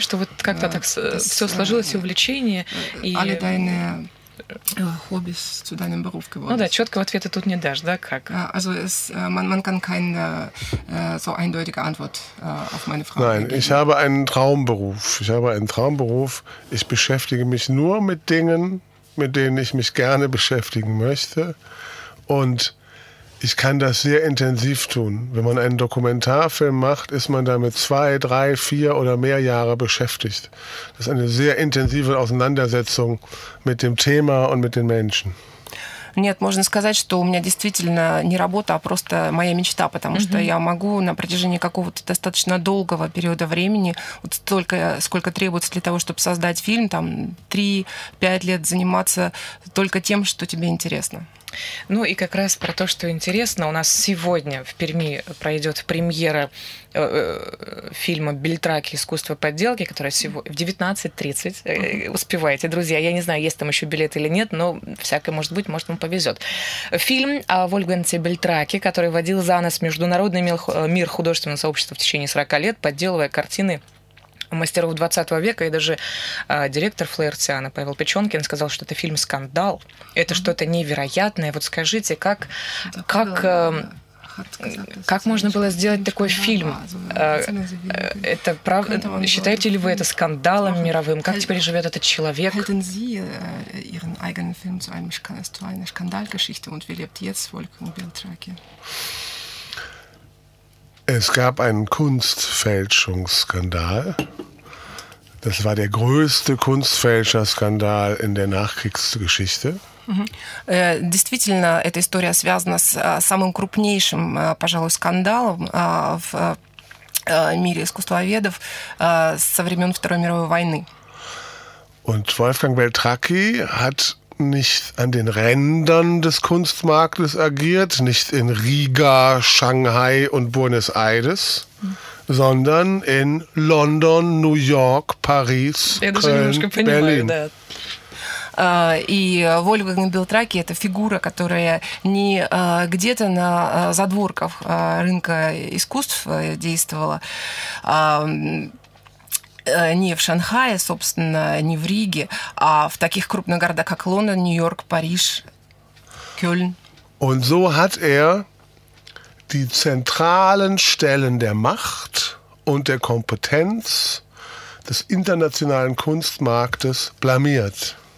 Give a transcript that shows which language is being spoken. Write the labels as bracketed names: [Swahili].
[Russian] Что вот как-то так все сложилось, увлечение. [German] Alle deine Hobbys zu deinem Beruf geworden. [Russian] Ну да, четкого ответа тут не дашь, да, как? [German] Also es, man kann keine so eindeutige Antwort auf meine Frage Nein, geben. Ich habe einen Traumberuf. Ich habe einen Traumberuf. Ich beschäftige mich nur mit Dingen, mit denen ich mich gerne beschäftigen möchte. Und ich kann das sehr intensiv tun. Wenn man einen Dokumentarfilm macht, ist man damit 2, 3, 4 oder mehr Jahre beschäftigt. Das ist eine sehr intensive Auseinandersetzung mit dem Thema und mit den Menschen. [Russian] Нет, можно сказать, что у меня действительно не работа, а просто моя мечта, потому что я могу на протяжении какого-то достаточно долгого периода времени, вот столько, сколько требуется для того, чтобы создать фильм, там 3-5 лет заниматься только тем, что тебе интересно. Ну и как раз про то, что интересно, у нас сегодня в Перми пройдет премьера фильма «Бельтраки. Искусство подделки», которая сегодня в 19:30. Успевайте, друзья. Я не знаю, есть там еще билет или нет, но всякое может быть, может, вам повезет. Фильм о Вольфганге Бельтраке, который водил за нос международный мир художественного сообщества в течение 40 лет, подделывая картины мастеров 20 века, и даже директор Флаерциана Павел Печенкин сказал, что это фильм-скандал, это что-то невероятное. Вот скажите, как можно было сделать такой фильм? Это правда? Считаете ли вы это скандалом мировым? Как теперь живет этот человек? [German] Hätten Sie Ihren eigenen Film zu einer Skandalgeschichte und wie lebt jetzt Wolfgang Bieltrake? Es gab einen Kunstfälschungsskandal. Das war der größte Kunstfälscherskandal in der Nachkriegsgeschichte. [Russian] Действительно, эта история связана с самым крупнейшим, пожалуй, скандалом в мире искусствоведов со времен Второй мировой войны. [German] Und Wolfgang Bieltrake hat nicht an den Rändern des Kunstmarktes agiert, nicht in Riga, Shanghai und Buenos Aires, sondern in London, New York, Paris, Köln, Berlin. [Russian] И Вольфганг Бельтраке – это фигура, которая не где-то на задворках рынка искусств действовала, не в Шанхае, собственно, не в Риге, а в таких крупных городах, как Лондон, Нью-Йорк, Париж, Кёльн. [German] Und so hat die zentralen Stellen der Macht und der Kompetenz des internationalen Kunstmarktes blamiert.